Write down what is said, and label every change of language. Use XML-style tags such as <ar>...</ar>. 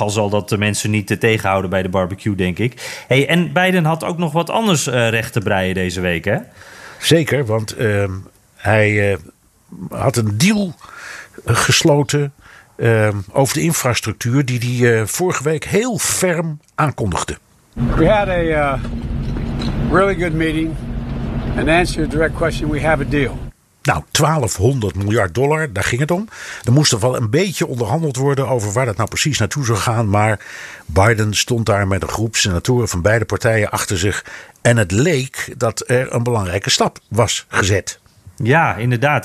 <nl>Al zal dat de mensen niet tegenhouden bij de barbecue, denk ik. Hey, en Biden had ook nog wat anders recht te breien deze week, hè? Zeker, want hij. Had een deal gesloten over de infrastructuur die hij vorige week heel ferm aankondigde.</nl> <en>We had a really good meeting. And answer your direct question, we have a deal.</en> <nl>Nou, $1,200 miljard, daar ging het om. Er moest er wel een beetje onderhandeld worden over waar dat nou precies naartoe zou gaan. Maar Biden stond daar met een groep senatoren van beide partijen achter zich. En het leek dat er een belangrijke stap was gezet. Ja, inderdaad.</nl>